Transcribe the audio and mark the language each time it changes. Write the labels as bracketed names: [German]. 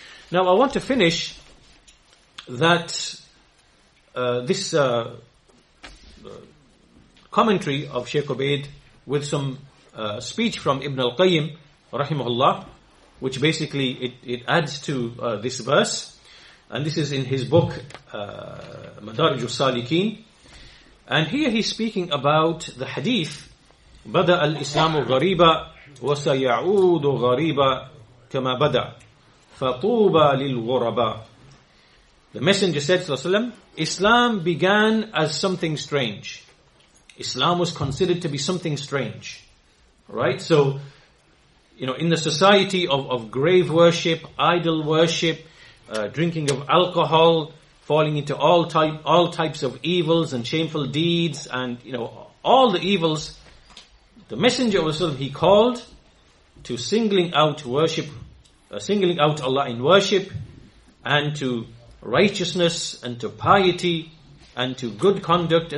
[English] Now I want to finish that this commentary of Shaykh Ubayd with some speech from Ibn al-Qayyim, rahimahullah, which basically it adds to this verse. And this is in his book, Madarij al-Salikin. And here he's speaking about the hadith, [Arabic] بدأ الإسلام غريبا وسيعود غريبا كما بدأ فطوبى للغرباء. [English] The Messenger said, sallallahu alayhi wa sallam, Islam began as something strange. Islam was considered to be something strange. Right? So, you know, in the society of grave worship, idol worship, drinking of alcohol, falling into all types of evils and shameful deeds, and, you know, all the evils, the Messenger of Allah, he called to singling out Allah in worship, and to righteousness, and to piety, and to good conduct.